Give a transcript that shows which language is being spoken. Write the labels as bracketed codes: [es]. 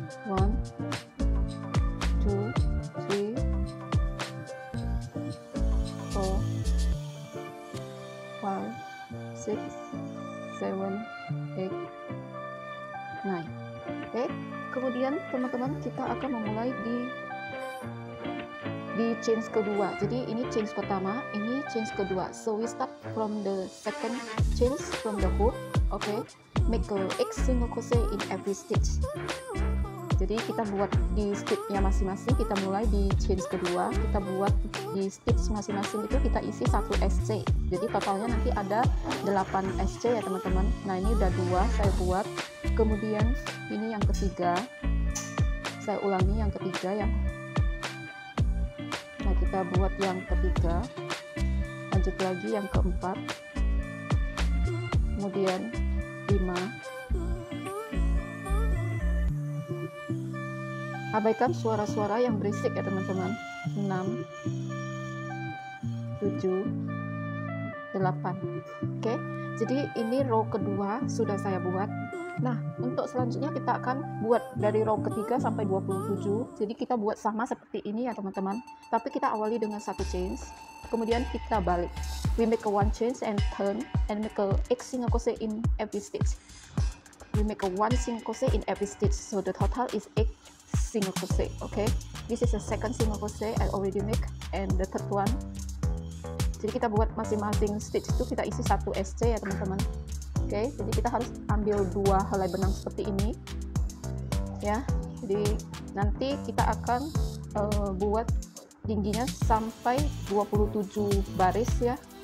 [id] 1 2 3 4 5 6 7 8 9. Oke. Kemudian teman-teman kita akan memulai di chain kedua. Jadi ini chain pertama, ini chain kedua. [en] So we start from the second chain from the hook. Okay, make a X single crochet in every stitch. [id] Jadi kita buat di stitchnya masing-masing. Kita mulai di chain kedua, kita buat di stitch masing-masing itu kita isi 1 SC. Jadi totalnya nanti ada 8 SC ya teman-teman. Nah ini udah 2 saya buat. Kemudian ini yang ketiga, saya ulangi yang ketiga ya. Nah kita buat yang ketiga, lanjut lagi yang keempat, kemudian 5. Abaikan suara-suara yang berisik ya teman-teman. 6 7 8. Oke. Jadi ini row kedua sudah saya buat. Nah, untuk selanjutnya kita akan buat dari row ketiga sampai 27. Jadi kita buat sama seperti ini ya teman-teman. Tapi kita awali dengan 1 chain. Kemudian kita balik. [en] We make a 1 chain and turn and make a X single crochet in every stitch. We make a 1 single crochet in every stitch. So the total is 8 single crochet, okay? This is the second single crochet I already make and the third one. [id] Jadi kita buat masing-masing stitch itu kita isi 1 SC ya teman-teman. Oke, okay, jadi kita harus ambil 2 helai benang seperti ini ya. Jadi nanti kita akan buat tingginya sampai 27 baris ya.